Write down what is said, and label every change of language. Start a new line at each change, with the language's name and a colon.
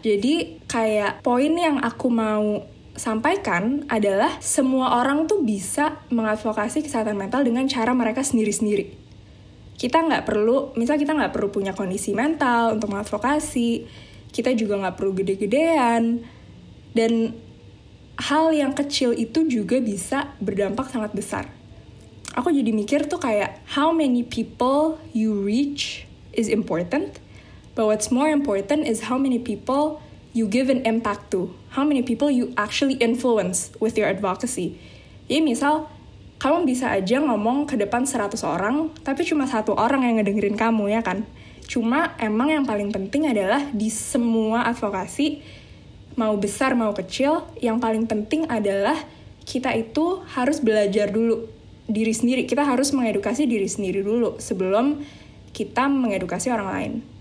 Indonesian: Jadi kayak poin yang aku mau sampaikan adalah semua orang tuh bisa mengadvokasi kesehatan mental dengan cara mereka sendiri-sendiri. Kita nggak perlu, misal kita nggak perlu punya kondisi mental untuk mengadvokasi. Kita juga nggak perlu gede-gedean. Dan hal yang kecil itu juga bisa berdampak sangat besar. Aku jadi mikir tuh kayak,
English: how many people you reach is important, but what's more important is how many people you give an impact to. How many people you actually influence with your advocacy.
Indonesian: Jadi misal, kamu bisa aja ngomong ke depan 100 orang, tapi cuma satu orang yang ngedengerin kamu, ya kan? Cuma emang yang paling penting adalah di semua advokasi, mau besar, mau kecil, yang paling penting adalah kita itu harus belajar dulu diri sendiri, kita harus mengedukasi diri sendiri dulu sebelum kita mengedukasi orang lain.